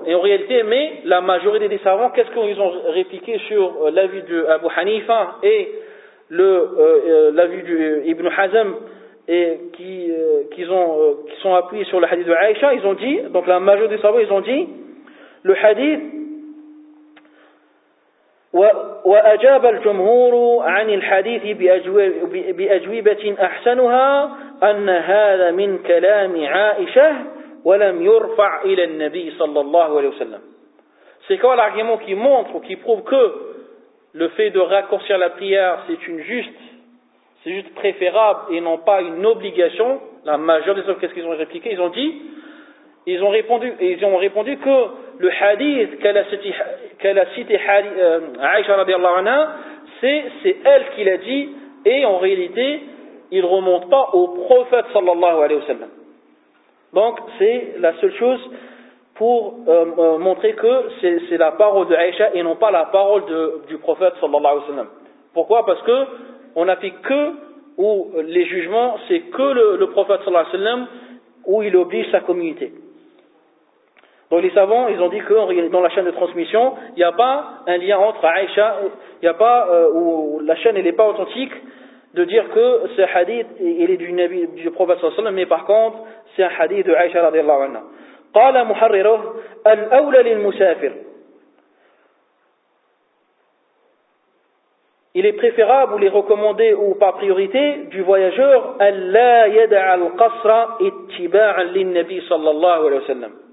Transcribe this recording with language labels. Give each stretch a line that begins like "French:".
French: En réalité, mais la majorité des savants, qu'est-ce qu'ils ont répliqué sur l'avis de Abu Hanifa et l'avis de Ibn Hazm et qui sont appuyés sur le hadith de Aïcha? Ils ont dit, donc la majorité des savants, ils ont dit le hadith.
Arabic: وأجاب الجمهور عن الحديث بأجوبة أحسنها أن هذا من كلام عائشة ولم يرفع إلى النبي صلى الله عليه وسلم.
French: C'est quoi l'argument qui montre ou qui prouve que le fait de raccourcir la prière c'est juste préférable et non pas une obligation? La majorité des hommes, qu'est-ce qu'ils ont répliqué? Ils ont répondu que le hadith qu'elle a cité Aïcha radiallahu anha, c'est elle qui l'a dit et en réalité il remonte pas au prophète sallallahu alayhi wa sallam. Donc c'est la seule chose pour montrer que c'est la parole de Aïcha et non pas la parole du prophète sallallahu alayhi wa sallam. Pourquoi? Parce que on n'applique que, ou les jugements, c'est que le prophète sallallahu alayhi wa sallam où il oblige sa communauté. Donc les savants, ils ont dit que dans la chaîne de transmission, il n'y a pas un lien entre Aïcha, ou la chaîne n'est pas authentique, de dire que ce hadith il est du prophète sallallahu alayhi wa sallam, mais par contre, c'est un hadith de Aïcha radiallahu anha.
Arabic: قال محرره الأولى للمسافر.
French: Il est préférable ou les recommandé ou par priorité du voyageur
Arabic: ألا يدع القصر اتباعا للنبي صلى الله عليه وسلم.